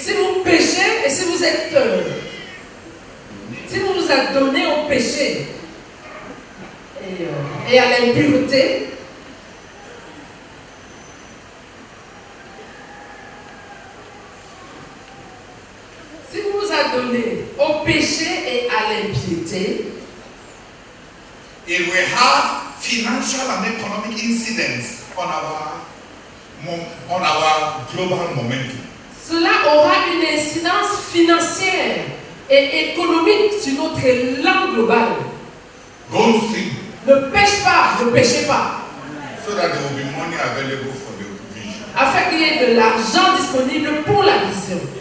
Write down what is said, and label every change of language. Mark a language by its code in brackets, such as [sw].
[fr] si vous péchez et si vous êtes peur, si vous vous adonnez au péché et à l'impureté, si vous vous adonnez au péché et à l'impiété, [en] it will have financial and economic incidents on our global momentum. [fr] Cela aura une incidence financière et économique sur notre élan global. [en] Don't sin. [fr] Ne pêche pas, ne péchez pas. [en] So that there will be money available for the vision. [fr] Afin qu'il y ait de l'argent disponible pour la vision.